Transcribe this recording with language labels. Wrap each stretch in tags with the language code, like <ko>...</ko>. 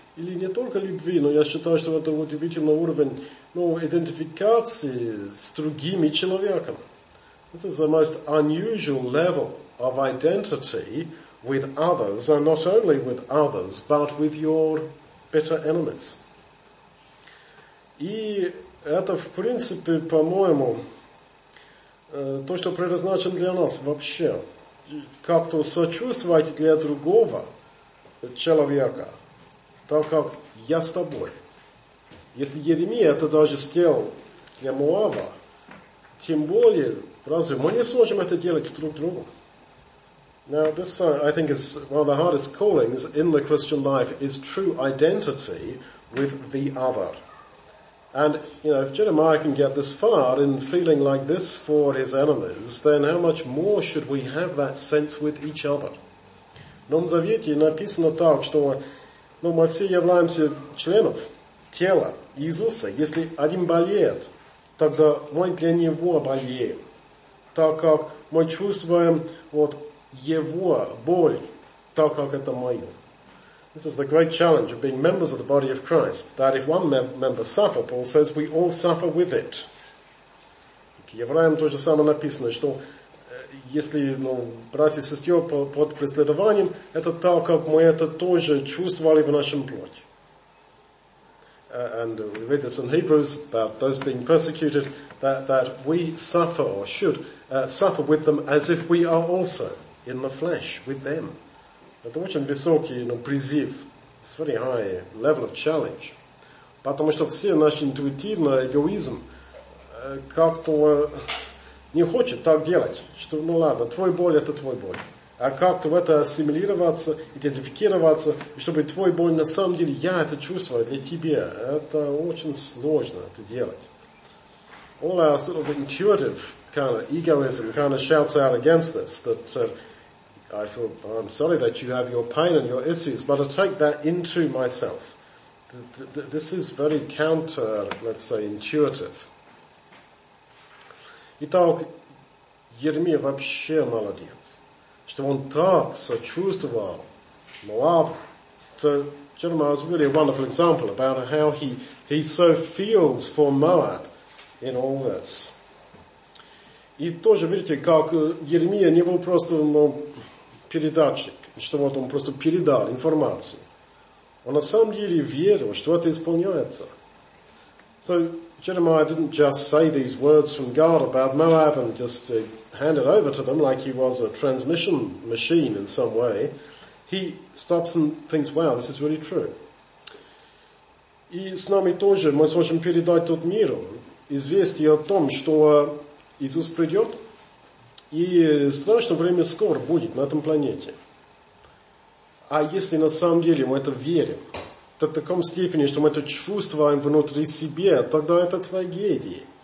<ru>Или не только любви, но я считаю, что это удивительный уровень, ну, идентификации с другими человеком.</ru> <en>This is the most unusual level of identity with others, and not only with others, but with your bitter enemies.</en> <ru>И это, в принципе, по-моему, то, что предназначено для нас вообще. Как-то сочувствовать для другого человека. Так как я с тобой. Если Еремия это даже сделал для Моава, тем более, разве мы не сможем это делать с друг другом?</ru> <en>Now, this, I think, is one of the hardest callings in the Christian life, is true identity with the other. And, you know, if Jeremiah can get this far in feeling like this for his enemies, then how much more should we have that sense with each other?</en> <ru>В Новом Завете написано так, что но мы все являемся членов тела Иисуса. Если один болеет, тогда мы для него болеем. Так как мы чувствуем вот его боль, так как это мое.</ru> <en>This is the great challenge of being members of the body of Christ. That if one member suffer, Paul says, we all suffer with it.</en> <ru>К евреям то же самое написано, что если, ну, братья и сестры под преследованием, это так, как мы это тоже чувствовали в нашем плоти.</ru> <en>and we read this in Hebrews about those being persecuted, that we suffer or should suffer with them as if we are also in the flesh with them.</en> <ru>Это очень высокий, но призыв.</ru> <en>It's very high level of challenge.</en> <ru>Потому что все наши интуитивные эгоизм как-то не хочет так делать, что, ну ладно, твой боль – это твой боль. А как-то в это ассимилироваться, идентифицироваться, и чтобы твой боль на самом деле, я это чувствую для тебя, это очень сложно это делать.</ru> <en>All our sort of intuitive kind of egoism kind of shouts out against this, that I feel, I'm sorry that you have your pain and your issues, but I take that into myself. This is very counter, let's say, intuitive.</en> <ru>Итак, Еремия вообще молодец, что он так сочувствовал Моав.</ru> <en>So Jeremiah is really a wonderful example about how he so feels for Moab in all this.</en> <ru>И тоже видите, как Еремия не был просто, ну, передатчик, что вот он просто передал информацию. Он на самом деле верил, что это исполняется.</ru> <en>So Jeremiah didn't just say these words from God about Moab and just hand it over to them like he was a transmission machine in some way. He stops and thinks, wow, this is really true.</en> <ru>И с нами тоже мы сможем передать тот миру известие о том, что Иисус придет, и страшное время скоро будет на этом планете. А если на самом деле мы это верим, в таком степени, что мы это чувствуем внутри себя, тогда это трагедия.</ru>